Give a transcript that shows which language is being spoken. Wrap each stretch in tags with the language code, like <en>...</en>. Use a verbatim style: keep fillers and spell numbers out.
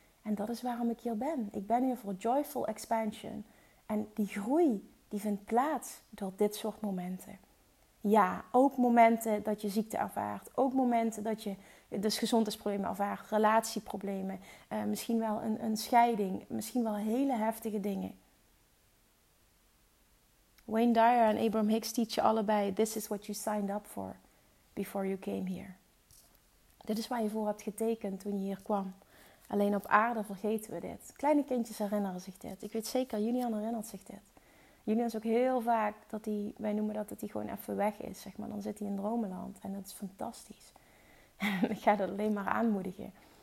<nl>En dat is waarom ik hier ben. Ik ben hier voor joyful expansion. En die groei, die vindt plaats door dit soort momenten. Ja, ook momenten dat je ziekte ervaart. Ook momenten dat je dus gezondheidsproblemen ervaart. Relatieproblemen. Eh, misschien wel een, een scheiding. Misschien wel hele heftige dingen.</nl> <en>Wayne Dyer en Abraham Hicks</en> <nl>teachen allebei,</nl> <en>this is what you signed up for before you came here.</en> <nl>Dit is waar je voor hebt getekend toen je hier kwam. Alleen op aarde vergeten we dit. Kleine kindjes herinneren zich dit. Ik weet zeker, Julian herinnert zich dit. Julian is ook heel vaak dat hij, wij noemen dat, dat hij gewoon even weg is. Zeg maar. Dan zit hij in dromenland en dat is fantastisch. Ik ga dat alleen maar aanmoedigen.</nl>